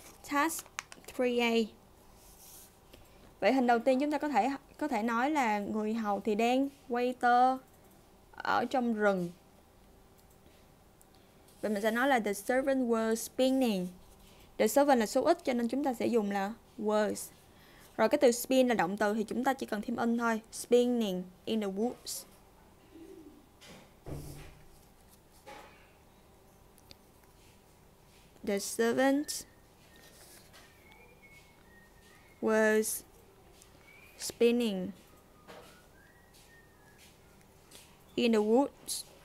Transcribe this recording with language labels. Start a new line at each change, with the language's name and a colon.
English: Task 3A.
Vietnamese: Vậy hình đầu tiên chúng ta có thể nói là người hầu thì đang quay tơ ở trong rừng. Vậy mình sẽ nói là
English: the servant was spinning.
Vietnamese: The servant là số ít cho nên chúng ta sẽ dùng là was. Rồi cái từ spin là động từ thì chúng ta chỉ cần thêm in thôi,
English: spinning in the woods. The servant was spinning in the woods.